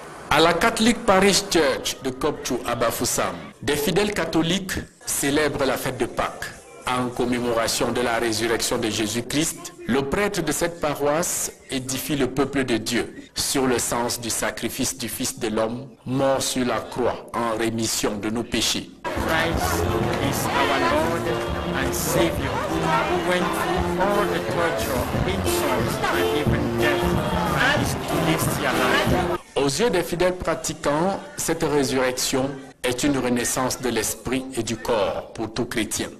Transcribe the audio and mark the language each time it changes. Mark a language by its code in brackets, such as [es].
[fr] À la Catholic Parish Church de Kopchouf à Bafoussam, des fidèles catholiques célèbrent la fête de Pâques. En commémoration de la résurrection de Jésus-Christ, le prêtre de cette paroisse édifie le peuple de Dieu sur le sens du sacrifice du Fils de l'homme, mort sur la croix en rémission de nos péchés. [en] Christ is our Lord and Savior, who went through all the torture, insults and even death, and is alive. [fr] Aux yeux des fidèles pratiquants, cette résurrection est une renaissance de l'esprit et du corps pour tout chrétien.